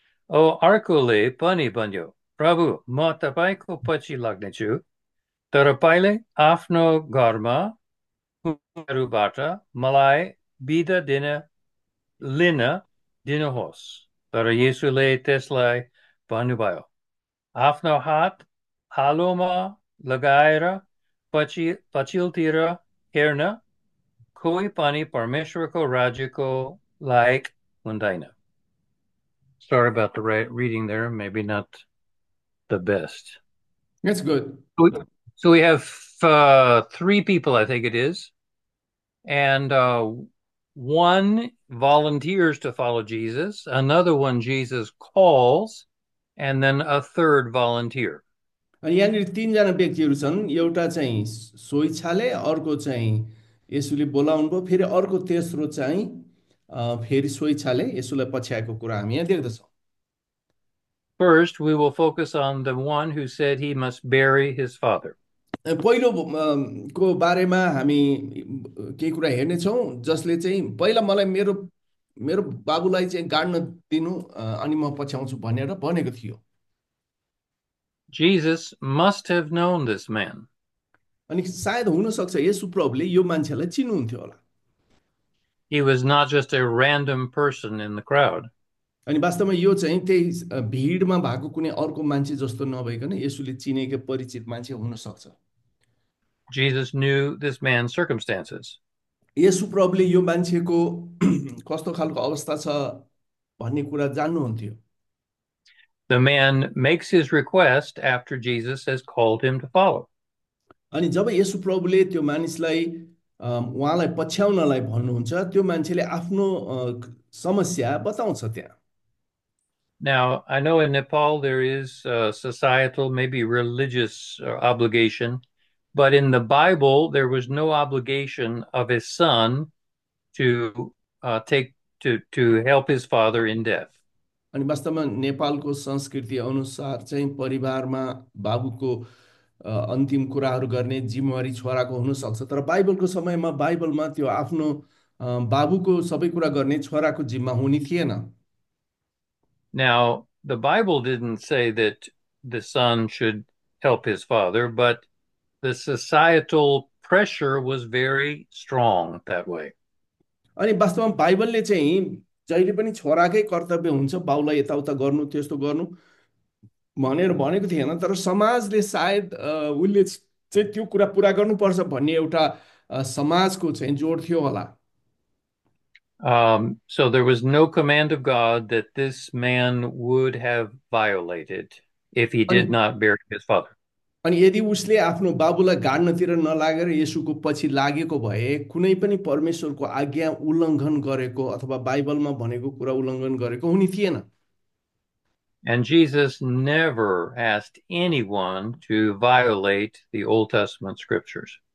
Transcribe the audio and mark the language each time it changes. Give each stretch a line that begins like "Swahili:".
Nepali: ओ, अर्कोले पनि भन्यो, प्रभु म तपाईँको पछि लाग्नेछु, तर पहिले आफ्नो घरमाहरूबाट मलाई बिदा लिन दिनुहोस्। तर येसुले त्यसलाई भन्नुभयो, आफ्नो हात आलोमा लगाएर पछिल्तिर हेर्न, कोही पनि परमेश्वरको राज्यको लायक हुँदैन।
English: Sorry about the reading there, maybe not the best. That's good. So we have three people, I think it is, and one volunteers to follow Jesus, another one Jesus calls, and then a third volunteer.
Nepali: यहाँनिर तिनजना व्यक्तिहरू छन्, एउटा चाहिँ स्वेच्छाले, अर्को चाहिँ यसुले बोलाउनु भयो, फेरि अर्को तेस्रो चाहिँ फेरि स्वेच्छाले यसुलाई पछ्याएको कुरा हामी यहाँ देख्दछौँ।
English: First, we will focus on the one who said he must bury his father.
Nepali: पहिलोको बारेमा हामी केही कुरा हेर्नेछौँ, जसले चाहिँ पहिला मलाई मेरो मेरो बाबुलाई चाहिँ गाड्न दिनु अनि म पछ्याउँछु भनेर भनेको थियो।
English: Jesus must have known this man.
Nepali: अनि सायद हुनसक्छ यसु प्रभुले यो मान्छेलाई चिन्नुहुन्थ्यो होला।
English: He was not just a random person in the crowd.
Nepali: अनि वास्तवमा यो चाहिँ त्यही भिडमा भएको कुनै अर्को मान्छे जस्तो नभइकन यसुले चिनेकै परिचित मान्छे हुनसक्छ।
English: Jesus knew this man's circumstances.
Nepali: यसु प्रभुले यो मान्छेको कस्तो खालको अवस्था छ भन्ने कुरा जान्नुहुन्थ्यो।
English: The man makes his request after Jesus has called him to follow.
Nepali: अनि जब येशु प्रभुले त्यो मानिसलाई उहाँलाई पछ्याउनलाई भन्नुहुन्छ, त्यो मान्छेले आफ्नो समस्या बताउँछ त्यहाँ।
English: Now, I know in Nepal there is a societal, maybe religious obligation, but in the Bible there was no obligation of his son to to help his father in death.
Nepali: अनि वास्तवमा नेपालको संस्कृति अनुसार चाहिँ परिवारमा बाबुको अन्तिम कुराहरू गर्ने जिम्मेवारी छोराको हुनसक्छ, तर बाइबलको समयमा बाइबलमा त्यो आफ्नो बाबुको सबै कुरा गर्ने छोराको जिम्मा हुने थिएन।
English: Now, the Bible didn't say that the son should help his father, but the societal pressure was very strong that way.
Nepali: अनि वास्तवमा बाइबलले चाहिँ जहिले पनि छोराकै कर्तव्य हुन्छ बाउलाई यताउता गर्नु त्यस्तो गर्नु भनेर भनेको थिएन, तर समाजले सायद उसले चाहिँ त्यो कुरा पुरा गर्नुपर्छ भन्ने एउटा समाजको चाहिँ जोड थियो होला।
English: So there was no command of God that this man would have violated if he did not bury his father.
Nepali: अनि यदि उसले आफ्नो बाबुलाई गाड्नतिर नलागेर येशुको पछि लागेको भए, कुनै पनि परमेश्वरको आज्ञा उल्लङ्घन गरेको अथवा बाइबलमा भनेको कुरा उल्लङ्घन गरेको हुने थिएन।
English: And Jesus never asked anyone to violate the Old Testament scriptures.